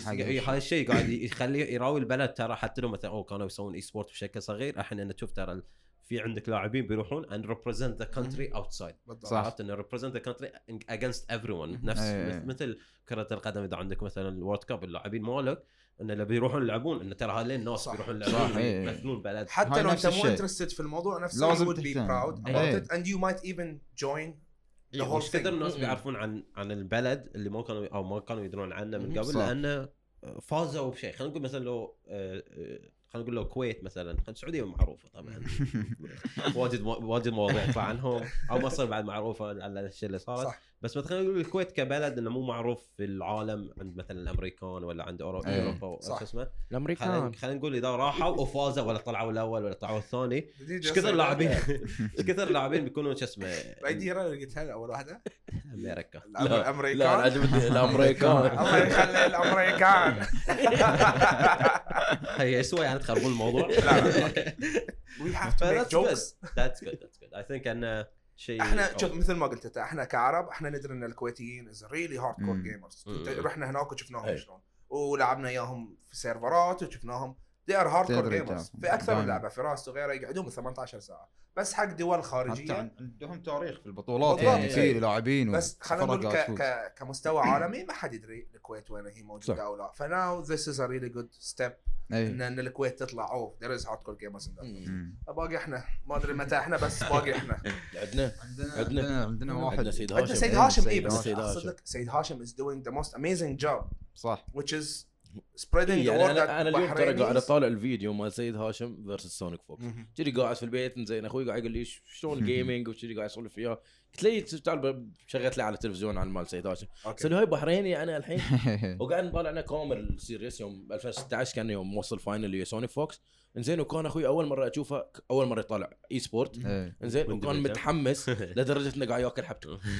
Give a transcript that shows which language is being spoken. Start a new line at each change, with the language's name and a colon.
Arabic: هذا الشيء قاعد يخلي يراوي البلد ترى حتى لو مثلا كانوا يسوون اي سبورت بشكل صغير الحين انا تشوف ترى في عندك لاعبين بيروحون
English: and represent the country outside
Arabic: صارت إنه
English: represent the country against everyone
Arabic: نفس مثل كرة القدم إذا عندك مثلا الورد كاب اللاعبين مالك إنه اللي بيروحون يلعبون إنه ترى هالين الناس صح. بيروحون يلعبون مثلون بلد حتى لو أنت مو
English: interested في الموضوع نفس you would be proud about it and you might even join the whole thing
Arabic: كثير الناس بيعرفون عن البلد اللي ما كانوا أو ما كانوا يدرون عنه من قبل لأنه فازوا بشيء خلينا نقول مثلا لو خلنا نقول له الكويت مثلاً السعودية معروفة طبعاً واجد مواضيع عنهم أو مصر بعد معروفة على الشيء اللي صار بس مثلاً نقول الكويت كبلد إنه مو معروف في العالم عند مثلاً الأمريكان ولا عند أوروبا صح اسمه الأمريكان خلنا نقول إذا راحوا وفازوا ولا طلعوا الأول ولا طلعوا الثاني إيش كثر لاعبين إيش كثر لاعبين بيكونوا شو اسمه أي ديرة اللي قلتها أول واحدة أمريكا الأمريكان لا عجبني الأمريكان الله يخلي الأمريكان هي سوى يعني تخربون الموضوع
English: لا لا we have to make jokes that's good I think ان شيء
Arabic: احنا شوف مثل ما قلت انت احنا كعرب احنا ندري ان الكويتيين
English: is really hardcore gamers
Arabic: رحنا هناك وشفناهم شلون ولعبنا اياهم في سيرفرات وشفناهم
English: they are hardcore gamers
Arabic: في اكثر اللعبه في راست وغيره يقعدون 18 ساعه بس حق دول خارجيه عندهم تاريخ في البطولات يعني في لاعبين بس خلينا نقول كمستوى عالمي ما حد يدري الكويت وين هي موجوده او لا ف
English: now this is a really good step
Arabic: ان الكويت تطلع
English: of there is hardcore gamers
Arabic: باقي احنا ما ادري متى احنا بس باقي احنا عندنا واحد سيد هاشم اي بس صدق سيد هاشم
English: is doing the most amazing job
Arabic: صح
English: which is spreading the word that
Arabic: انا اليوم ترى قاعد اطالع الفيديو مال سيد هاشم versus سونيك فوكس جري قاعد في البيت زين اخوي قاعد يقول لي شلون جيمنج وش قاعد يسولف فيها قلت لي تعال شغلت لي على التلفزيون عن مال سيد هاشم سنه هاي بحريني انا الحين وقاعد نطالع انا كامل السيريس يوم 2016 كان يوم وصل فاينل سونيك فوكس انزين وكان اخوي اول مره اشوفه اول مره يطالع اي سبورت انزين وكان متحمس لدرجه انه قاعد ياكل حبته